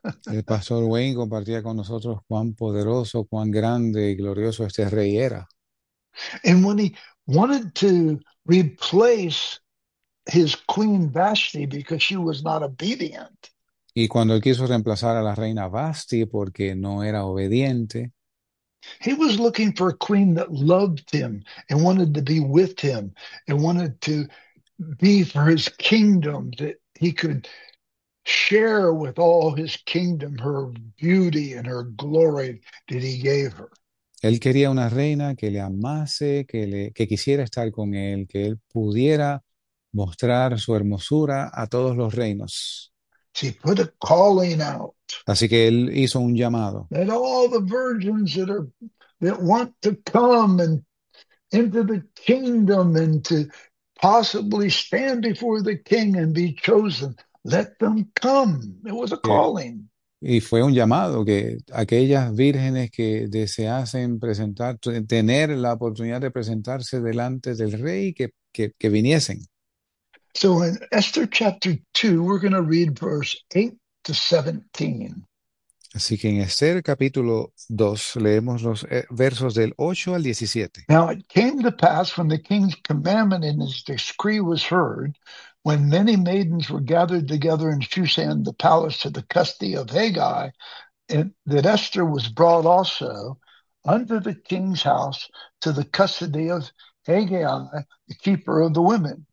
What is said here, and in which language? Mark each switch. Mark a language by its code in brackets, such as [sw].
[es] El pastor Wayne compartía con nosotros cuán poderoso, cuán grande y glorioso este rey era. [en] And when he wanted to replace his queen Vashti because she was not obedient. [es] Y cuando él quiso reemplazar a la reina Vashti porque no era obediente, [en] He was looking for a queen that loved him and wanted to be with him and wanted to be for his kingdom, that he could share with all his kingdom her beauty and her glory that he gave her. [es] él quería una reina que le amase, que quisiera estar con él, que él pudiera mostrar su hermosura a todos los reinos. [en] She put a calling out. [es] Así que él hizo un llamado. [en] That all the virgins that want to come and into the kingdom and to possibly stand before the king and be chosen, let them come. It was a calling. [es] Y fue un llamado que aquellas vírgenes que deseasen presentar, tener la oportunidad de presentarse delante del rey, que viniesen. [en] So in Esther chapter 2, we're going to read verse 8 to 17. [es] Así que en Esther capítulo 2 leemos los versos del 8 al 17. [en] Now it came to pass when the king's commandment and his decree was heard, when many maidens were gathered together in Shushan the palace to the custody of Haggai, and that Esther was brought also unto the king's house to the custody of Haggai, the keeper of the women.